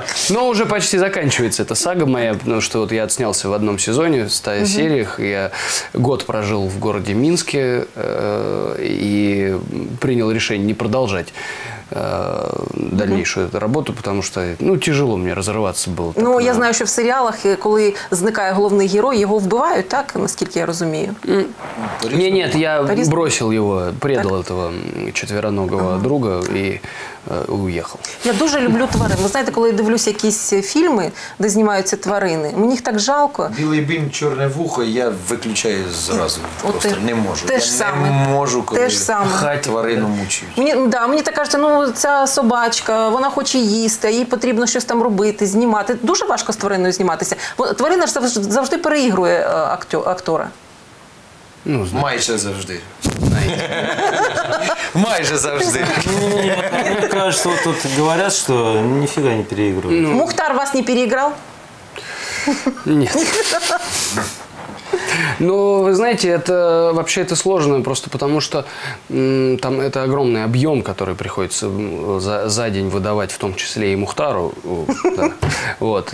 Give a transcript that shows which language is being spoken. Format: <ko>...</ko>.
<ru>Но уже почти заканчивается эта сага моя, потому что вот я отснялся в одном сезоне, в 100 сериях. Я год прожил в городе Минске и принял решение не продолжать дальнейшую работу, потому что тяжело мне разрываться было.</ru> <uk>Ну, я знаю, що в серіалах, коли зникає головний герой, його вбивають, так, наскільки я розумію? Ні, я бросив його, предав цього четвероногого друга і уїхав. Я дуже люблю тварин. Ви знаєте, коли я дивлюсь якісь фільми, де знімаються тварини, мені їх так жалко. Білий бим, чорне вухо, я виключаю зразу. Просто не можу. Те ж саме. Я не можу, коли тварину мучують. Мені так кажуть, ця собачка, вона хоче їсти, їй потрібно щось там робити, знімати. Дуже важко з твариною зніматися. Тварина ж завжди переігрує актора. Ну, майже завжди. Майже завжди. Мені кажуть, тут говорять, що ніфіга не переігрує. Мухтар вас не переіграв? Ні.</uk> <ru>Ну, вы знаете, это вообще это сложно, просто потому что там это огромный объем, который приходится за день выдавать, в том числе и Мухтару. Да. Вот.</ru>